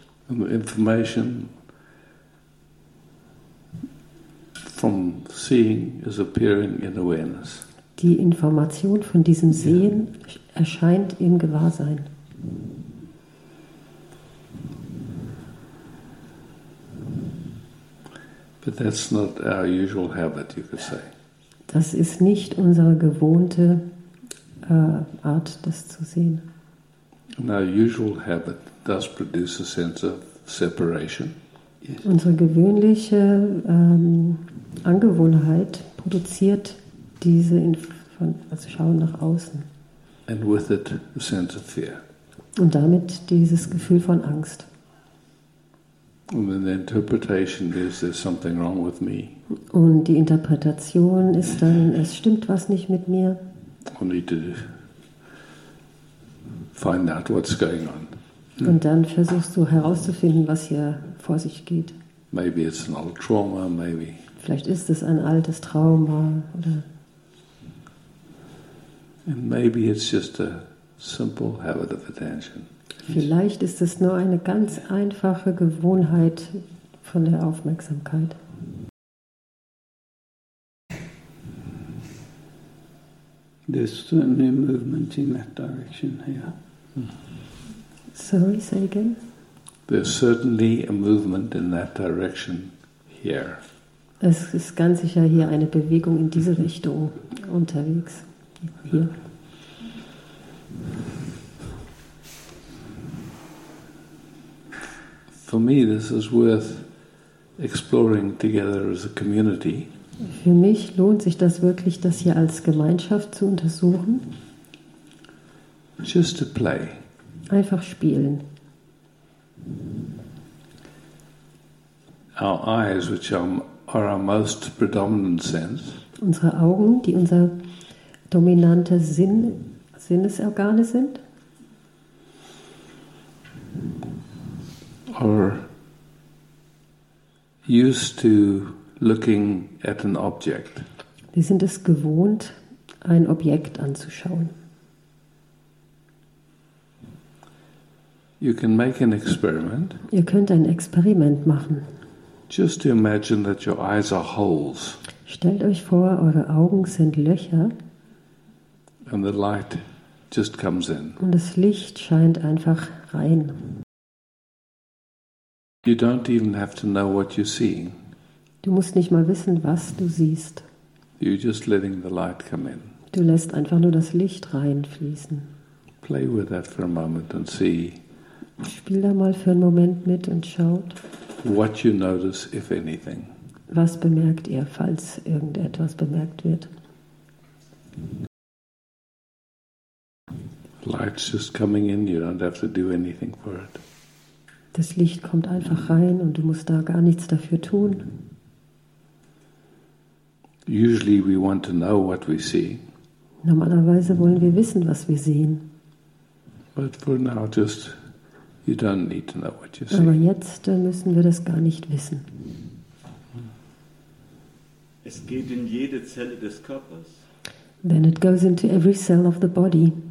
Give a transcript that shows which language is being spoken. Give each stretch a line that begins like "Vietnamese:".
English: And the information from seeing is appearing in awareness.
German: Die Information von diesem Sehen erscheint im Gewahrsein.
English: But that's not our usual habit, you could say.
German: Das ist nicht unsere gewohnte Art, das zu sehen.
English: And our usual habit does produce a sense of separation. Yes.
German: Unsere gewöhnliche Angewohnheit produziert diese Schauen nach außen.
English: And with it a sense of fear.
German: Und damit dieses Gefühl von Angst.
English: And then the interpretation is there's something wrong with me.
German: Und die Interpretation ist dann, es stimmt was nicht mit mir.
English: I need to find out what's going on.
German: Und dann versuchst du herauszufinden, was hier vor sich geht.
English: Maybe it's an old trauma, maybe.
German: Vielleicht ist es ein altes Trauma oder.
English: And maybe it's just a simple habit of attention.
German: Vielleicht ist es nur eine ganz einfache Gewohnheit von der Aufmerksamkeit.
English: there's certainly a movement in that direction here. Sorry, say again. There's certainly a movement in that direction here.
German: Es ist ganz sicher hier eine Bewegung in diese Richtung unterwegs. Hier.
English: For me, this is worth exploring together as a community.
German: Für mich lohnt sich das wirklich, das hier als Gemeinschaft zu untersuchen.
English: Just to play.
German: Einfach spielen.
English: Our eyes, which are our most predominant sense.
German: Unsere Augen, die unser dominanter Sinnesorgane sind.
English: Are used to looking at an object.
German: Wir sind es gewohnt, ein Objekt anzuschauen.
English: You can make an experiment.
German: Ihr könnt ein Experiment machen.
English: Just to imagine that your eyes are holes.
German: Stellt euch vor, eure Augen sind Löcher.
English: And the light just comes in.
German: Und das Licht scheint einfach rein.
English: You don't even have to know what you're seeing.
German: Du musst nicht mal wissen, was du siehst.
English: You're just letting the light come in.
German: Du lässt einfach nur das Licht reinfließen.
English: Play with that for a moment and see.
German: Spiel da mal für einen Moment mit und schaut.
English: What you notice, if anything.
German: Was bemerkt ihr, falls irgendetwas bemerkt wird?
English: Light's just coming in. You don't have to do anything for it.
German: Das Licht kommt einfach rein und du musst da gar nichts dafür tun.
English: Usually we want to know what we see.
German: Normalerweise wollen wir wissen, was wir sehen.
English: But for now, just you don't need to know what you see.
German: Aber jetzt müssen wir das gar nicht wissen. Es geht in jede Zelle des Körpers.
English: Then it goes into every cell of the body.